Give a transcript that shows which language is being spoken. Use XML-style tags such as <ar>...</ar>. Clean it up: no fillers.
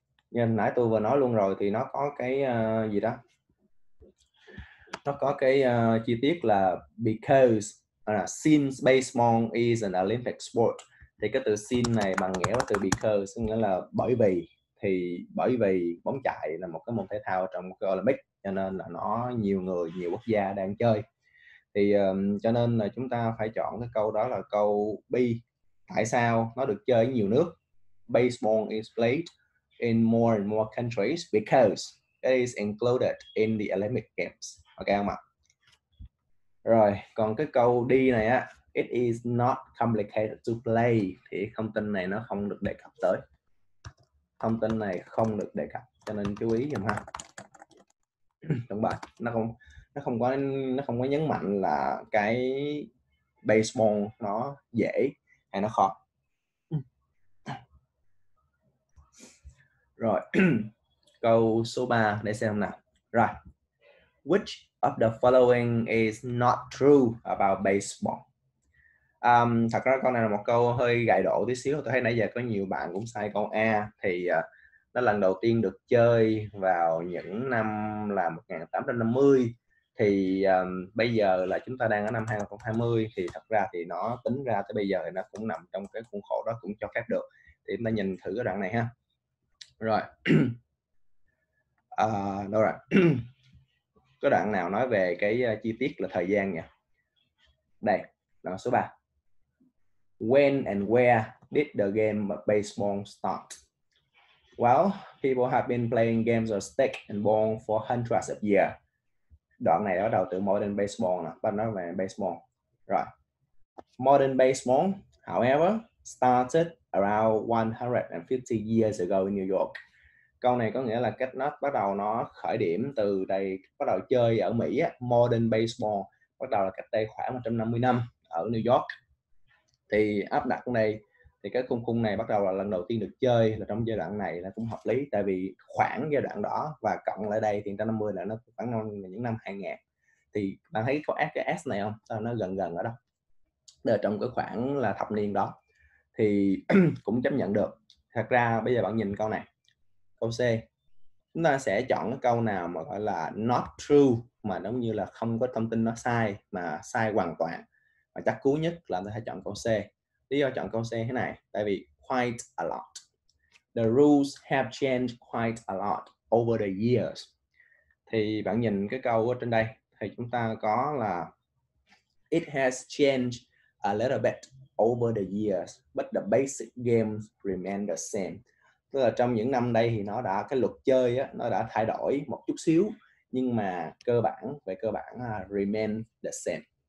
<vi>Như nãy tôi vừa nói luôn rồi thì nó có cái gì đó. Nó có cái chi tiết là</vi> <en>because since baseball is an Olympic sport,</en> <vi>thì cái từ since này bằng nghĩa với từ because, nghĩa là bởi vì, thì bởi vì bóng chạy là một cái môn thể thao trong cái Olympic, cho nên là nó nhiều người, nhiều quốc gia đang chơi. Thì cho nên là chúng ta phải chọn cái câu đó là câu B. Tại sao nó được chơi ở nhiều nước?</vi> <en>Baseball is played in more and more countries because it is included in the Olympic Games.</en> <vi>Ok không ạ? Rồi, còn cái câu D này á,</vi> <en>it is not complicated to play,</en> <vi>thì thông tin này nó không được đề cập tới. Thông tin này không được đề cập, cho nên chú ý giùm ha. Đúng vậy, nó không có nhấn mạnh là cái baseball nó dễ hay nó khó. Rồi. Câu số 3 để xem nào. Rồi.</vi> <en>Which of the following is not true about baseball?</en> <vi>Thật ra câu này là một câu hơi gài độ tí xíu. Tôi thấy nãy giờ có nhiều bạn cũng sai câu A. Thì nó lần đầu tiên được chơi vào những năm là 1850. Thì bây giờ là chúng ta đang ở năm 2020. Thì thật ra thì nó tính ra tới bây giờ thì nó cũng nằm trong cái khuôn khổ đó, cũng cho phép được. Thì chúng ta nhìn thử cái đoạn này ha. Rồi. Đâu rồi. Có đoạn nào nói về cái chi tiết là thời gian nhỉ? Đây, đoạn số 3.</vi> <en>When and where did the game baseball start? Well, people have been playing games of stick and ball for hundreds of years.</en> <vi>Đoạn này bắt đầu từ modern baseball nè, bắt nói về baseball. Rồi.</vi> <en>Modern baseball, however, started around 150 years ago in New York.</en> <vi>Câu này có nghĩa là cách nó bắt đầu, nó khởi điểm từ đây, bắt đầu chơi ở Mỹ á, modern baseball bắt đầu là cách đây khoảng 150 năm ở New York. Thì áp đặt này thì cái khung khung này bắt đầu là lần đầu tiên được chơi là trong giai đoạn này là cũng hợp lý, tại vì khoảng giai đoạn đó và cộng lại đây thì 150 là nó khoảng là những năm 2000. Thì bạn thấy có S, cái S này không? Sao nó gần gần ở đâu? Để trong cái khoảng là thập niên đó thì cũng chấp nhận được. Thật ra bây giờ bạn nhìn câu này. Câu C. Chúng ta sẽ chọn cái câu nào mà gọi là not true, mà giống như là không có thông tin nó sai, mà sai hoàn toàn. Và chắc cú nhất là chúng ta sẽ chọn câu C. Lý do chọn câu C thế này, tại vì</vi> <en>quite a lot. The rules have changed quite a lot over the years.</en> <vi>Thì bạn nhìn cái câu ở trên đây thì chúng ta có là</vi> <en>it has changed a little bit over the years, but the basic games remain the same.</en> <vi>Tức là trong những năm đây thì nó đã, cái luật chơi á, nó đã thay đổi một chút xíu, nhưng mà cơ bản, về cơ bản</vi> <en>remain the same.</en>